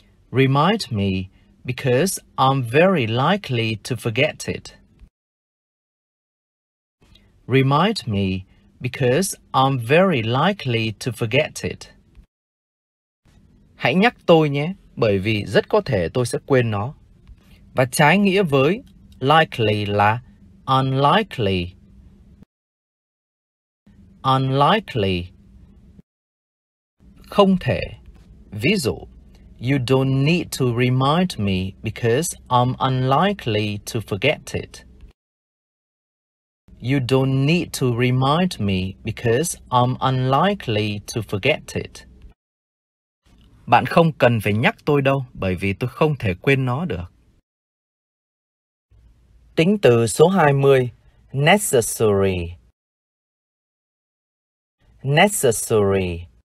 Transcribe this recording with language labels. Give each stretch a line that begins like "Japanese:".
English: remind me because I'm very likely to forget it. Remind me because I'm very likely to forget it.
Vietnamese: Hãy nhắc tôi nhé, bởi vì rất có thể tôi sẽ quên nó. Và trái nghĩa với likely là unlikely.
English: Unlikely.
Vietnamese: Không thể. Ví dụ,
English: you don't need to remind me because I'm unlikely to forget it. You don't need to remind me because I'm unlikely to forget it.
Vietnamese: Bạn không cần phải nhắc tôi đâu, bởi vì tôi không thể quên nó được. Tính từ số 20, necessary.
English: Necessary.